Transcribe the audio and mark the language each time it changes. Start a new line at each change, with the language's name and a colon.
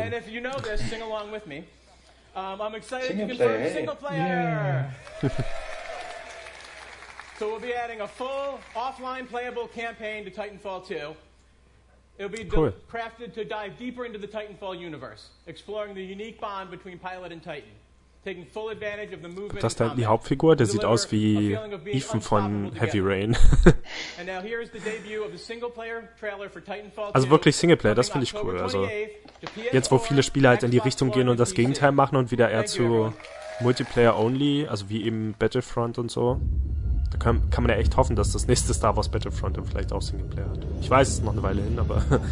English: And if you know this, sing along with me. I'm excited to confirm single player. So we'll be adding a full offline playable campaign to Titanfall 2. It'll be crafted to dive deeper into the Titanfall universe, exploring the unique bond between pilot and Titan, taking full advantage of the movement.
German: Das ist halt die Hauptfigur, der sieht aus wie Ethan von Heavy Rain.
English: And now here is the debut of the single player trailer for Titanfall 2.
German: Also wirklich Singleplayer, das finde ich cool. Also jetzt, wo viele Spiele halt in die Richtung gehen und das Gegenteil machen und wieder eher zu Multiplayer-only, also wie eben Battlefront und so, da kann man ja echt hoffen, dass das nächste Star Wars Battlefront dann vielleicht auch Singleplayer hat. Ich weiß, es ist noch eine Weile hin, aber...